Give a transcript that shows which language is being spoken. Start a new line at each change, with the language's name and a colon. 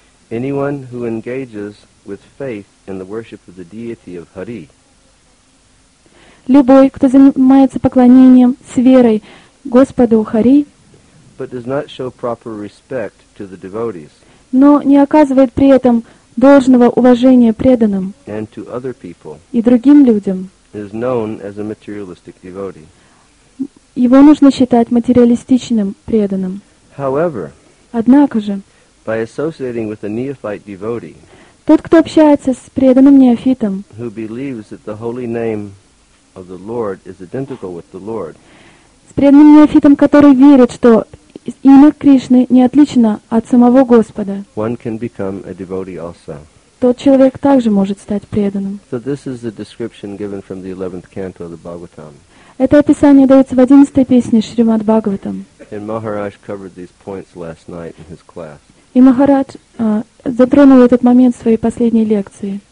English: Anyone who engages with faith in the worship of the deity of Hari.
Russian: Любой, кто занимается поклонением с верой Господу Хари,
English: but does not show proper respect to the devotees,
Russian: но не оказывает при этом должного уважения преданным
English: and to other people,
Russian: и другим людям,
English: is known as a materialistic devotee.
Russian: Его нужно считать материалистичным преданным.
English: However,
Russian: однако же,
English: by associating with a neophyte devotee,
Russian: тот, кто общается с преданным неофитом,
English: who believes that the holy name of the Lord is identical with the Lord,
Russian: с преданным неофитом, который верит, что имя Кришны не отлично от самого Господа,
English: one can become a devotee also.
Russian: Тот человек также может стать преданным.
English: So this is the description given from the 11th canto of the Bhagavatam.
Russian: Это описание дается в 11-й песне Шримад Бхагаватам.
English: And Maharaj covered these points last night in his class.
Russian: И Махарадж затронул этот момент в своей последней лекции.